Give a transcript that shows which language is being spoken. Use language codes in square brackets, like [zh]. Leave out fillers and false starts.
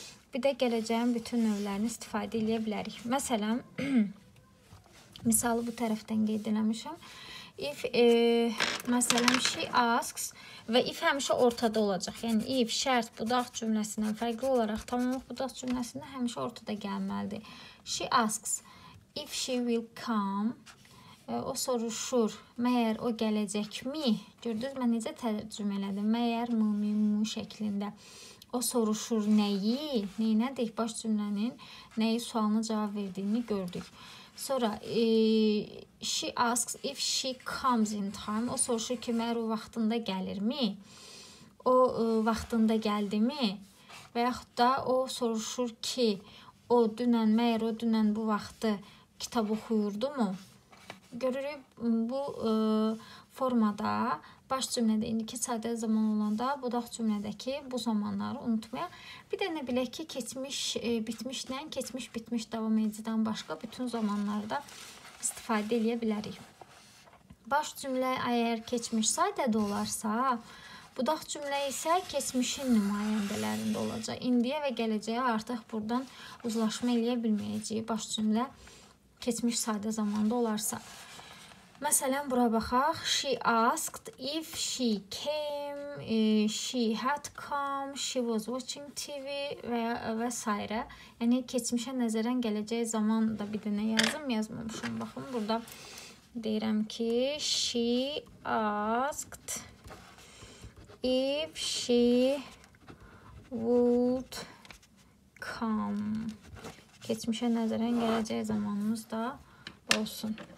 [az] Bir də gələcəyin bütün növlərini istifadə edə bilərik. Məsələn, misalı bu tərəfdən qeyd eləmişəm. If, məsələn, [en] she asks [az] və if həmişə ortada olacaq. Yəni, if, şərt, budaq cümləsindən fərqli olaraq tamamlıq budaq cümləsində həmişə ortada gəlməlidir. [en] She asks if she will come. [az] O soruşur, məyər o gələcəkmi? Gördünüz, mən necə tərcüm elədim? Məyər mu şəklində. O soruşur nəyi, nəyi nədir? Baş cümlənin nəyi sualına cavab verdiyini gördük. Sonra, [en] she asks if she comes in time. [az] O soruşur ki, məyər o vaxtında gəlirmi? O vaxtında gəldimi? Və yaxud da o soruşur ki, o dünən, məyər o dünən bu vaxtı kitab oxuyurdu mu? Görürük, bu formada baş cümlədə indiki sadə zaman olanda budaq cümlədəki bu zamanları unutmayaq. Bir dənə bilək ki, keçmiş bitmişlə, keçmiş bitmiş davam edicidən başqa bütün zamanlarda istifadə edə bilərik. Baş cümlə əgər keçmiş sadədə olarsa, budaq cümlə isə keçmişin nümayəndələrində olacaq. İndiyə və gələcəyə artıq buradan uzlaşma edə bilməyəcəyi baş cümlə keçmiş sadə zamanda olarsa. Məsələn, bura baxaq. [en] She asked if she came, she had come, she was watching TV [az] və s. Yəni, keçmişə nəzərən gələcək zaman da bir dənə yazım, yazmamışım. Baxın, burada deyirəm ki, [en] she asked if she would come. [az] Keçmişə nəzərən gələcək zamanımız da olsun.